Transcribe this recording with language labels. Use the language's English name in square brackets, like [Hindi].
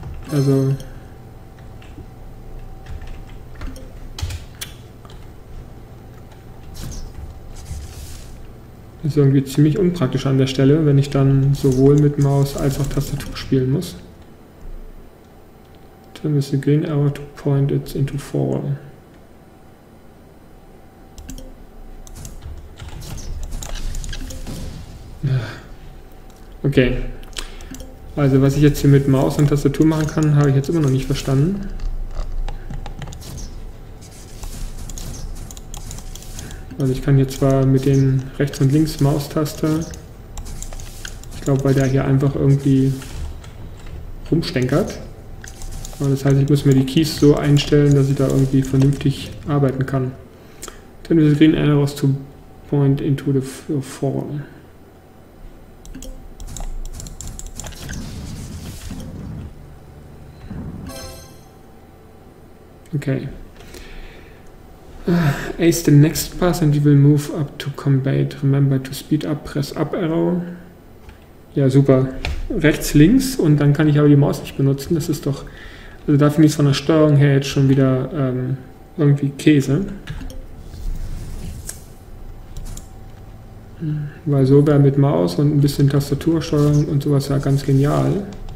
[German] Also. Ist irgendwie ziemlich unpraktisch an der Stelle, wenn ich dann sowohl mit Maus als auch Tastatur spielen muss. [English] Turn the green arrow to point it into fall. Okay. [German] Also was ich jetzt hier mit Maus und Tastatur machen kann, habe ich jetzt immer noch nicht verstanden. Also ich kann hier zwar mit den rechts und links Maustaste, ich glaube, weil der hier einfach irgendwie rumstenkert. Aber das heißt, ich muss mir die Keys so einstellen, dass ich da irgendwie vernünftig arbeiten kann. Dann ist es [English] green arrows to point into the fall. Okay. Ace the next pass and you will move up to combat. Remember to speed up, press up arrow. [German] Ja, super. Rechts, links und dann kann ich aber die Maus nicht benutzen. Das ist doch, also da finde ich es von der Steuerung her jetzt schon wieder irgendwie Käse. Weil so wäre mit Maus und ein bisschen Tastatursteuerung und sowas ja ganz genial.